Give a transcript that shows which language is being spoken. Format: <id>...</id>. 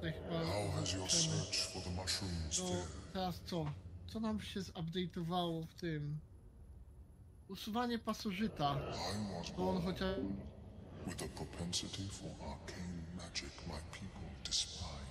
<en>How has your search for the mushrooms there?</en> <pl>Teraz co? Co nam się zupdate'owało w tym? Usuwanie pasożyta. Bo on chociaż...</pl> <en>With a propensity for arcane magic my people despise.</en>